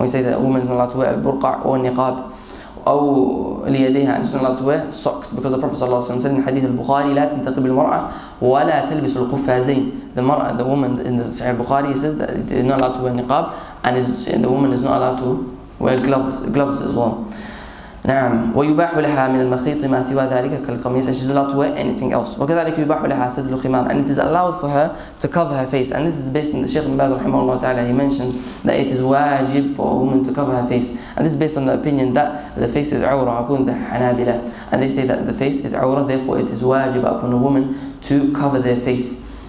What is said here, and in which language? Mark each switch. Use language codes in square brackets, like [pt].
[en] We say that a woman is not allowed to wear al-burqa' or niqab or liyadeha, and she's not allowed to wear socks, because the Prophet sallallahu alayhi wa sallam said in hadith al-Bukhari, [ar] لا تنتقب المرأة ولا تلبس القفازين. [en] The woman in the Sahih al-Bukhari says that they're not allowed to wear niqab, and the woman is not allowed to wear gloves as well. [ar] نعم. ويباح لها من المخيط ما سوى ذلك كالقميص. [en] And she's allowed to wear anything else. [ar] وكذلك يباح لها سد الخمام. [en] And it is allowed for her to cover her face. And this is based on the Sheikh Ibn Baz رحمه الله تعالى. He mentions that it is wajib for a woman to cover her face. And this is based on the opinion that the face is awra, according to Hanabila. And they say that the face is awra, therefore it is wajib upon a woman to cover their face.